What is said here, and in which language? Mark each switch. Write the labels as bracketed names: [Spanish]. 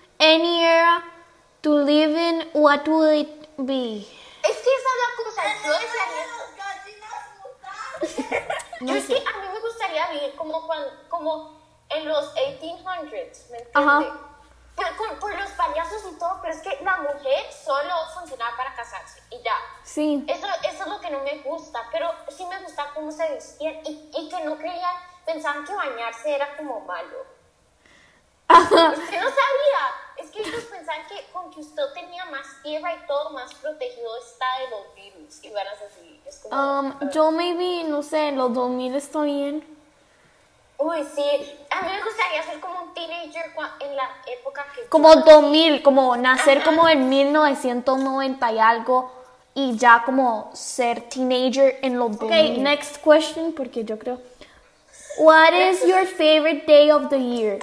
[English] Any era to live in, what would it be? [Spanish] Es que esa es la cosa. Yo es que a mí me gustaría vivir como, cuando, como en los 1800s, ¿me entiendes? Uh-huh. Por los payasos y todo, pero es que la mujer solo funcionaba para casarse y ya. Sí. Eso es lo que no me gusta, pero sí me gusta cómo se vestían y que no creían, pensaban que bañarse era como malo. Es que no sabía, es que ellos pensaban que con que usted tenía más tierra y todo más protegido está de los virus y van a seguir. Es como, yo maybe, no sé, los 2000 estoy bien. Uy, sí, a mí me gustaría ser como un teenager en la época que... Como 2000, así. Como nacer ajá. Como en 1990 y algo y ya como ser teenager en los 2000. [English] Okay, next question, [Spanish] porque yo creo... [English] What is your favorite day of the year?